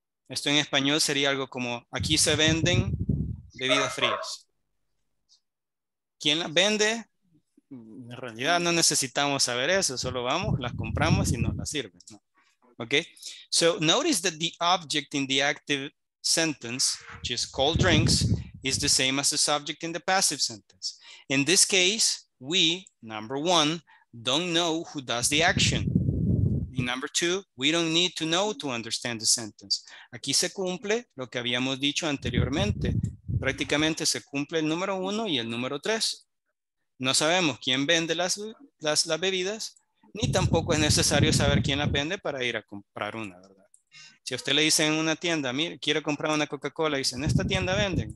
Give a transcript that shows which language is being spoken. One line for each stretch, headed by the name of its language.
Spanish: Esto en español sería algo como, aquí se venden bebidas frías. ¿Quién las vende? En realidad no necesitamos saber eso, solo vamos, las compramos y nos las sirven. ¿No?
English: Okay, so notice that the object in the active sentence, which is cold drinks, is the same as the subject in the passive sentence. In this case, we, number one, don't know who does the action. In number two, we don't need to know to understand the sentence.
Spanish: Aquí se cumple lo que habíamos dicho anteriormente. Prácticamente se cumple el número uno y el número tres. No sabemos quién vende las bebidas, ni tampoco es necesario saber quién las vende para ir a comprar una, ¿verdad? Si a usted le dice en una tienda, mire, quiero comprar una Coca-Cola, dice, ¿en esta tienda venden?